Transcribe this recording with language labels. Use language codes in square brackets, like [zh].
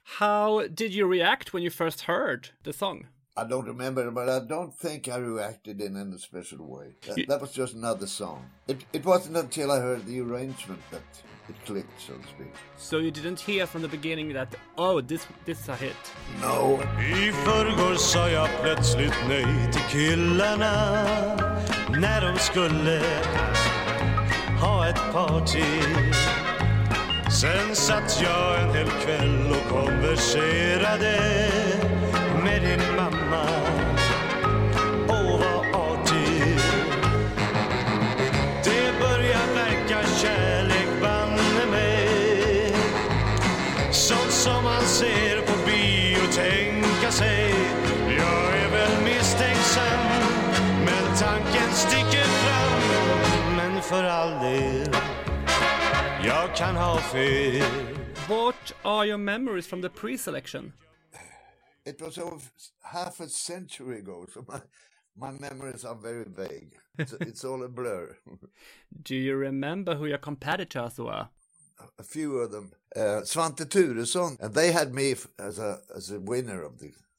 [en] How did you react when you first heard the song? I don't remember, but I don't think I reacted in any special way. That was just another song. It wasn't until I heard the arrangement that it clicked, so to speak. So you didn't hear from the beginning that, this is a hit? No. [sv] I förrgår sa jag plötsligt nej till killarna när de skulle ha ett party. Sen satt jag en hel kväll och konverserade med din mamma. Åh, vad artig. Det börjar verka kärlek banne mig. Sånt som man ser på bio tänka sig. Jag är väl misstänksam, men tanken sticker fram. Men för all del, jag kan ha fel. [en] What are your memories from the pre-selection? It was over half a century ago, so my memories are very vague. It's all a blur. Do you remember who your competitors were? A few of them. Svante Thuresson, and they had me as a winner of the...